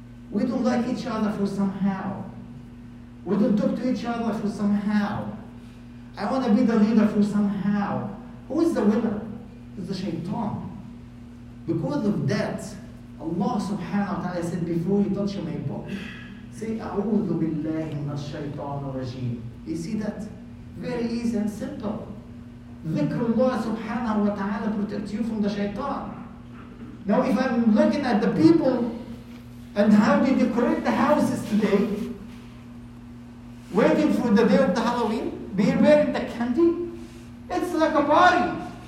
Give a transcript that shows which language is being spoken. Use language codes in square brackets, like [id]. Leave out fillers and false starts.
[en] We don't like each other for somehow. We don't talk to each other for somehow. I want to be the leader for somehow. Who is the winner? It's the shaitan. Because of that, Allah subhanahu wa ta'ala said, before you touch my book, Say, [ar] أعوذ بالله من الشيطان الرجيم. [en] You see that? Very easy and simple. [ar] ذكر الله سبحانه وتعالى [en] protects you from the shaitan. Now if I'm looking at the people and how they decorate the houses today, waiting for the day of the Halloween, being wearing the candy, it's like a party.